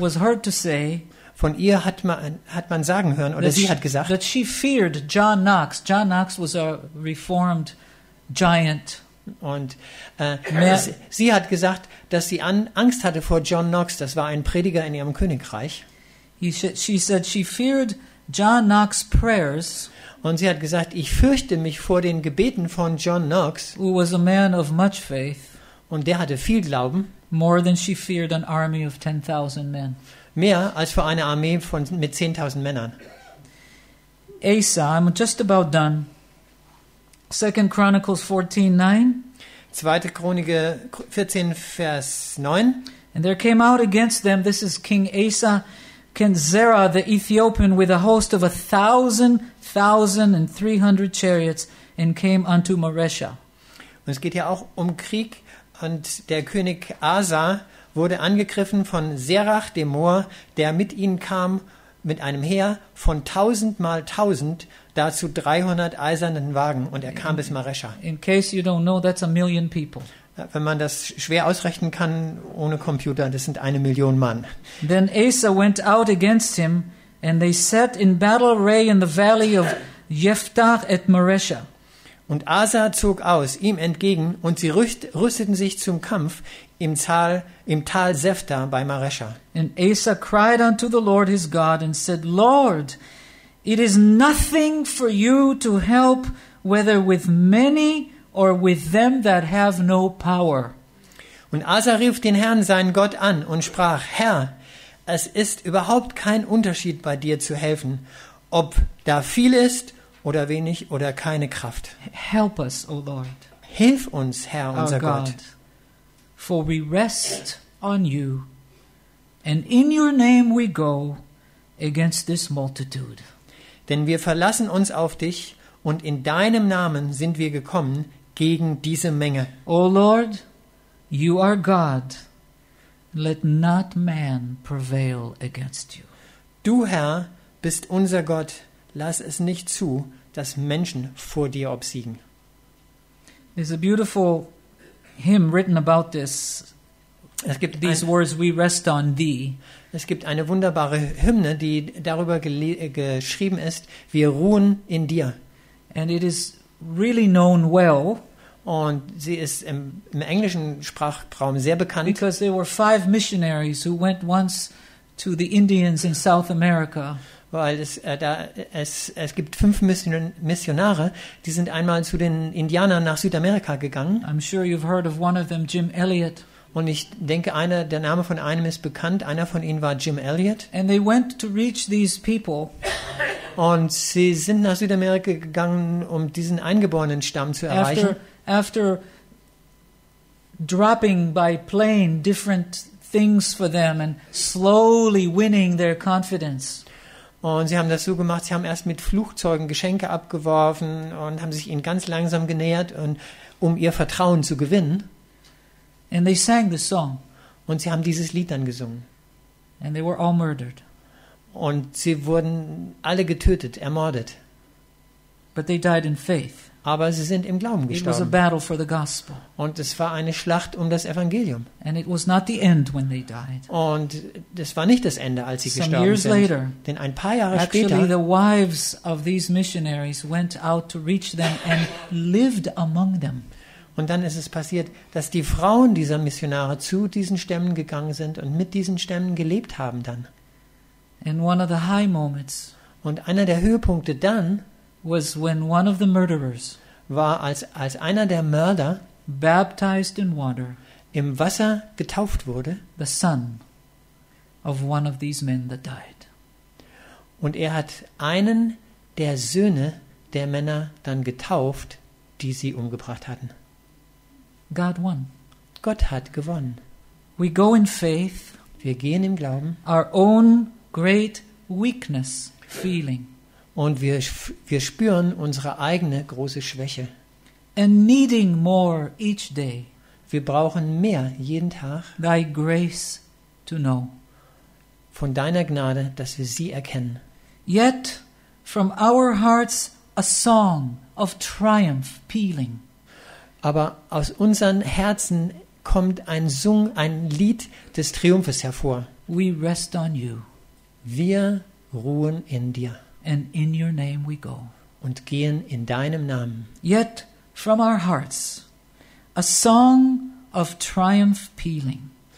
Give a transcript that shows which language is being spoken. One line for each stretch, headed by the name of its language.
English: Was heard to say,
German: von ihr hat man sagen hören, oder sie hat gesagt,
English: that she feared John Knox. John Knox was a reformed giant.
German: Und sie hat gesagt, dass sie Angst hatte vor John Knox. Das war ein Prediger in ihrem Königreich.
English: She said she feared John Knox's prayers.
German: Und sie hat gesagt, ich fürchte mich vor den Gebeten von John Knox.
English: Who was a man of much faith.
German: Und der hatte viel Glauben.
English: More than she feared an army of 10,000 men.
German: Mehr als für eine Armee mit 10,000 Männern.
English: Asa, I'm just about done. 2 Chronicles 14:9.
German: 2. Chronik 14, Vers 9.
English: And there came out against them, this is King Asa, Kenzera the Ethiopian with a host of 1,300 chariots and came unto Maresha.
German: Und es geht ja auch um Krieg, und der König Asa wurde angegriffen von Serach dem Moor, der mit ihnen kam mit einem Heer von 1,000 mal 1,000, dazu 300 eisernen Wagen, und er kam bis Maresha.
English: In case you don't know, that's a million people.
German: Wenn man das schwer ausrechnen kann ohne Computer, das sind 1 Million Mann.
English: Then Asa went out against him, and they sat in battle array in the valley of Jephthah at Maresha.
German: Und Asa zog aus, ihm entgegen, und sie rüsteten sich zum Kampf im Tal Sephta bei Maresha.
English: And Asa cried unto the Lord his God and said, Lord, it is nothing for you to help whether with many or with them that have no power.
German: Und Asa rief den Herrn, seinen Gott, an und sprach, Herr, es ist überhaupt kein Unterschied bei dir zu helfen, ob da viel ist oder wenig oder keine Kraft.
English: Help us, O Lord.
German: Hilf uns, Herr, unser Gott.
English: For we rest on you, and in your name we go against this multitude.
German: Denn wir verlassen uns auf dich, und in deinem Namen sind wir gekommen gegen diese Menge.
English: O Lord, you are God. Let not man prevail against you.
German: Du, Herr, bist unser Gott. Lass es nicht zu, dass Menschen vor dir obsiegen.
English: There's a beautiful hymn written about this.
German: Es gibt
English: these words, we rest on thee.
German: Es gibt eine wunderbare Hymne, die darüber geschrieben ist, wir ruhen in dir.
English: And it is really known well.
German: Und sie ist im englischen Sprachraum sehr bekannt.
English: Because there were five missionaries who went once to the Indians in South America.
German: Weil es gibt fünf Missionare, die sind einmal zu den Indianern nach Südamerika gegangen.
English: I'm sure you've heard of one of them, Jim Elliot.
German: Und ich denke, der Name von einem ist bekannt. Einer von ihnen war Jim Elliot.
English: And they went to reach these people.
German: Und sie sind nach Südamerika gegangen, um diesen eingeborenen Stamm zu erreichen.
English: After dropping by plane different things for them and slowly winning their confidence.
German: Und sie haben das so gemacht, sie haben erst mit Flugzeugen Geschenke abgeworfen und haben sich ihnen ganz langsam genähert, um ihr Vertrauen zu gewinnen.
English: And they sang the song.
German: Und sie haben dieses Lied dann gesungen.
English: And they were all murdered.
German: Und sie wurden alle getötet, ermordet.
English: But they died in faith.
German: Aber sie sind im Glauben gestorben.
English: It was a battle for the gospel.
German: Und es war eine Schlacht um das Evangelium.
English: And it was not the end when they died.
German: Und es war nicht das Ende, als sie
English: Some
German: gestorben
English: years
German: sind.
English: Later,
German: denn ein paar Jahre
English: actually,
German: später,
English: the wives of these missionaries went out to reach them and lived among them.
German: Und dann ist es passiert, dass die Frauen dieser Missionare zu diesen Stämmen gegangen sind und mit diesen Stämmen gelebt haben dann.
English: And one of the high moments.
German: Und einer der Höhepunkte dann
English: was when one of the murderers
German: war als einer der Mörder
English: baptized in water
German: im Wasser getauft wurde
English: the son of one of these men that died
German: und er hat einen der Söhne der Männer dann getauft die sie umgebracht hatten
English: God won
German: Gott hat gewonnen
English: we go in faith
German: wir gehen im Glauben
English: our own great weakness feeling
German: Und wir spüren unsere eigene große Schwäche.
English: And needing more each day.
German: Wir brauchen mehr jeden Tag.
English: Thy grace to know.
German: Von deiner Gnade, dass wir sie erkennen.
English: Yet from our hearts a song of triumph pealing.
German: Aber aus unseren Herzen kommt ein Lied des Triumphes hervor.
English: We rest on you.
German: Wir ruhen in dir.
English: And in your name we go.
German: Und gehen in deinem Namen.
English: Yet from our hearts, a song of triumph pealing.